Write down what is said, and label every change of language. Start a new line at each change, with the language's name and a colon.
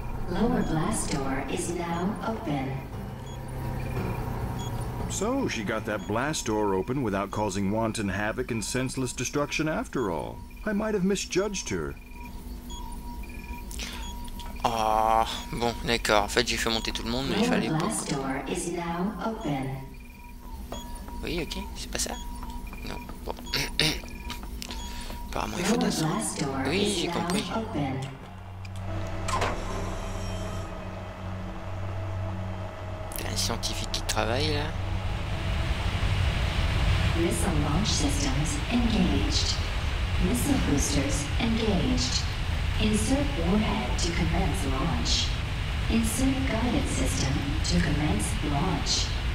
English: Lower blast door is now open. So, she got that blast door open without causing wanton havoc and senseless destruction after all. I might have misjudged her.
French: Ah, oh, bon, d'accord. En fait, j'ai fait monter tout le monde, mais il fallait pas.
English: Blast door is now open.
French: Oui, ok, c'est pas ça? Non, bon. Apparemment, il faut d'un son. Oui, j'ai compris. T'as un scientifique qui travaille, là?
English: Missile launch systems engaged. Missile boosters engaged. Insert warhead to commence launch. Insert guidance system to commence launch.